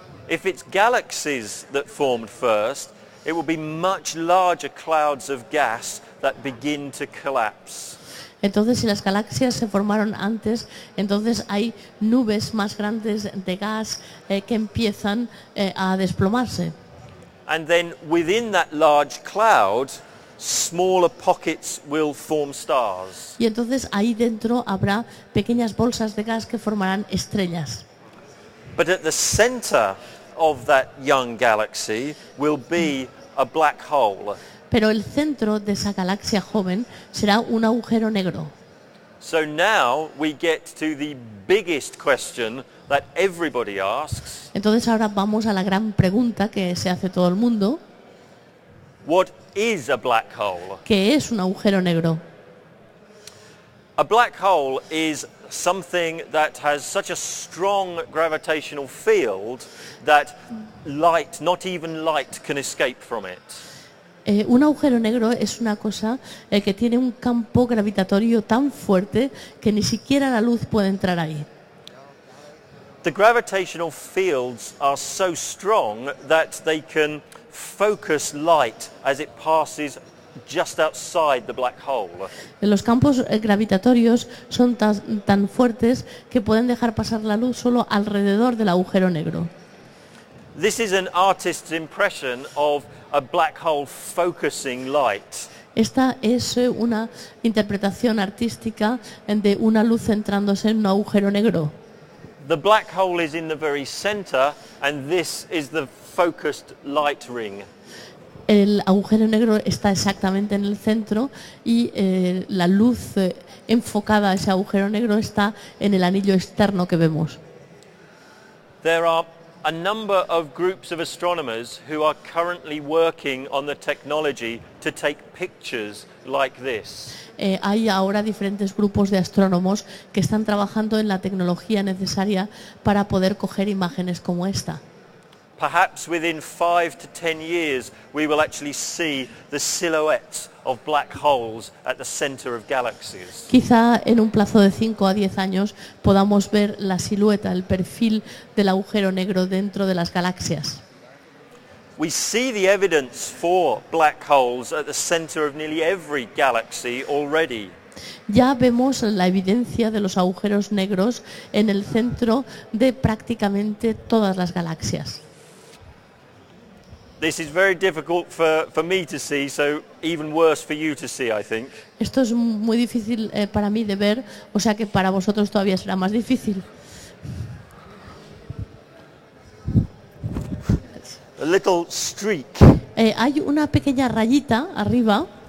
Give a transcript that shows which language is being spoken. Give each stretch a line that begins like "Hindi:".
English: If it's galaxies that formed first, it will be much larger clouds of gas that begin to collapse.
Spanish: Entonces, si las galaxias se formaron antes, entonces hay nubes más grandes de gas que empiezan a desplomarse.
English: And then within that large cloud, smaller pockets will form stars.
Spanish: Y entonces ahí dentro habrá pequeñas bolsas de gas que formarán estrellas.
English: But at the center of that young galaxy will be a black hole.
Spanish: Pero el centro de esa galaxia joven será un agujero negro.
English: So now we get to the biggest question that everybody asks.
Spanish: Entonces ahora vamos a la gran pregunta que se hace todo el mundo.
English: What is a black hole?
Spanish: ¿Qué es un agujero negro?
English: A black hole is something that has such a strong gravitational field that light, not even light, can escape from it.
Spanish: Un agujero negro es una cosa que tiene un campo gravitatorio tan fuerte que ni siquiera la luz puede entrar ahí.
English: The gravitational fields are so strong that they can focus light as it passes just outside the black hole.
Spanish: Los campos gravitatorios son tan fuertes que pueden dejar pasar la luz solo alrededor del agujero negro.
English: This is an artist's impression of a black hole focusing light.
Spanish: Esta es una interpretación artística de una luz centrándose en un agujero negro.
English: The black hole is in the very center, and this is the focused light ring.
Spanish: El agujero negro está exactamente en el centro y la luz enfocada a ese agujero negro está en el anillo externo que vemos.
English: There are a number of groups of astronomers who are currently working on the technology to take pictures like this.
Spanish: Hay ahora diferentes grupos de astrónomos que están trabajando en la tecnología necesaria para poder coger imágenes como esta.
English: Perhaps within 5 to 10 years we will actually see the silhouettes of black holes at the center of galaxies.
Spanish: Quizá en un plazo de 5 a 10 años podamos ver la silueta, el perfil del agujero negro dentro de las galaxias.
English: We see the evidence for black holes at the center of nearly every galaxy already.
Spanish: Ya vemos la evidencia de los agujeros negros en el centro de prácticamente todas las galaxias.
English: This is very difficult for me to see, so even worse for you to see, I think.
Spanish: Esto es muy difícil para mí de ver, o sea que para vosotros todavía será más difícil.
English: A little streak.
Spanish: Hay una pequeña rayita arriba.